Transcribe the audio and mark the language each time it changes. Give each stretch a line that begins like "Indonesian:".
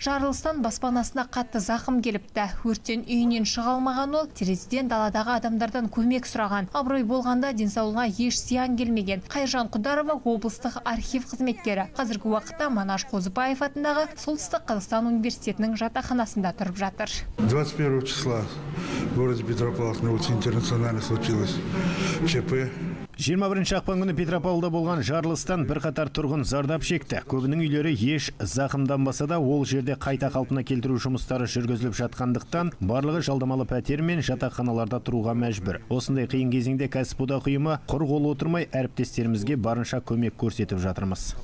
Kazakh: Жарылыстан баспанасына қатты зақым келіпті. Өрттен үйінен шыға алмаған ол терезеден даладағы адамдардан көмек сұраған. Абырой болғанда денсаулығына еш зиян келмеген. Қайыржан Құдарова облыстық архив қызметкері. Қазіргі уақытта Манаш Қозыбаев атындағы Солтүстік Қазақстан университетінің жатақханасында тұрып жатыр.
Russian: 21 числа в городе Петропавловск на улице Интернациональной случилось ЧП.
Kazakh: 21 ақпан күні Петропавлда болған жарылыстан бірқатар тұрғын зардап шекті. Көбінің үйлері еш зақымданбаса да, ол жерде қайта қалпына келтіру жұмыстары жүргізіліп жатқандықтан, барлығы жалдамалы пәтер мен жатақханаларда тұруға мәжбүр. Осындай қиын кезеңде кәсіподақ ұйымы құр қол отырмай әріптестерімізге барынша көмек көрсетіп жатырмыз.